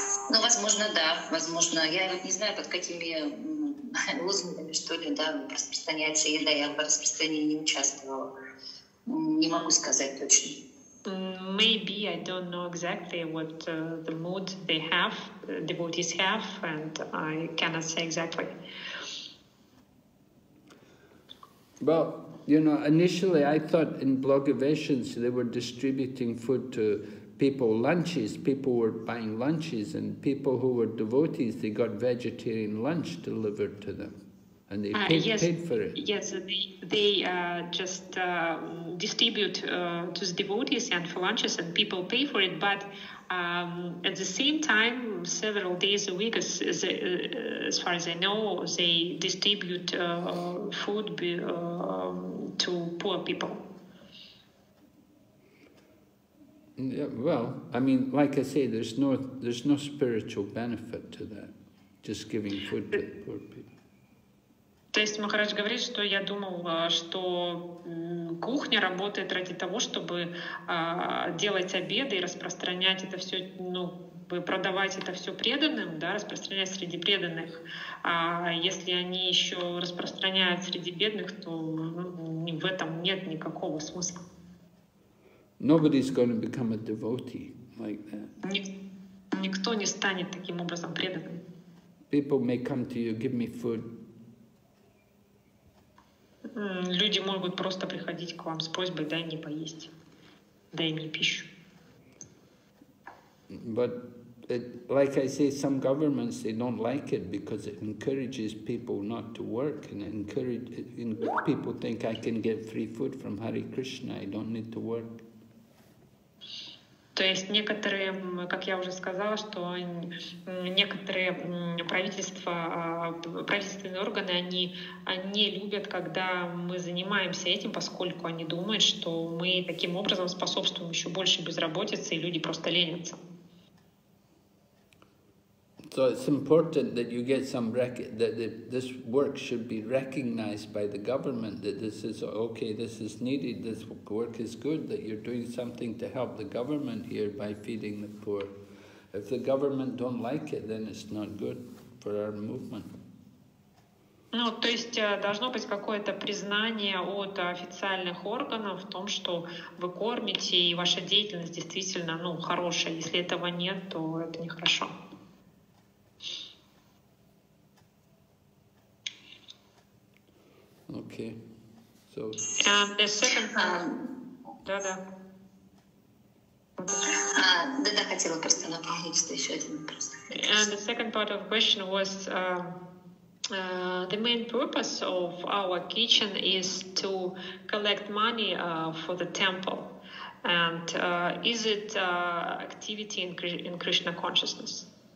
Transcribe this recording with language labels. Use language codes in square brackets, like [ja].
[ru] Ну, возможно, да, возможно. Я не знаю, под какими лозунгами, что ли, да, распространяется еда. Я в распространении не участвовала. Не могу сказать точно. [en] Maybe I don't know exactly what the mood they have, devotees have, and I cannot say exactly. Well, you know, initially I thought in Blagaveshans they were distributing food to people, lunches. People were buying lunches, and people who were devotees, they got vegetarian lunch delivered to them. And they paid for it. Yes, they distribute to the devotees and for lunches, and people pay for it. But at the same time, several days a week, as far as I know, they distribute food to poor people. Yeah, well, I mean, like I say, there's no spiritual benefit to that, just giving food to poor people. [ru] То есть Махарадж говорит, что я думал, что кухня работает ради того, чтобы делать обеды и распространять это все, ну, продавать это все преданным, да, распространять среди преданных. А если они еще распространяют среди бедных, то в этом нет никакого смысла. [en] Nobody's going to become a devotee like that. [ru] Никто не станет таким образом преданным. [en] People may come to you, give me food. [ru] Люди могут просто приходить к вам с просьбой, дай мне поесть, дай мне пищу. [en] But it, like I say, some governments they don't like it because it encourages people not to work and people think I can get free food from Hare Krishna, I don't need to work. [ru] То есть некоторые, как я уже сказала, что некоторые правительственные органы, они не любят, когда мы занимаемся этим, поскольку они думают, что мы таким образом способствуем еще больше безработице, и люди просто ленятся. [en] So it's important that you get some this work should be recognized by the government, that this is okay, this is needed, this work is good, that you're doing something to help the government here by feeding the poor. If the government don't like it, then it's not good for our movement. [ru] Ну, то есть должно быть какое-то признание от официальных органов в том, что вы кормите и ваша деятельность действительно, ну, хорошая. Если этого нет, то это нехорошо. [en] Okay. So. The second part. [ru] Да, да. Да, хотела просто напомнить, что еще один вопрос. [en] And the second part of the question was the main purpose of our kitchen is to collect money for the temple. And is it activity in Krishna consciousness?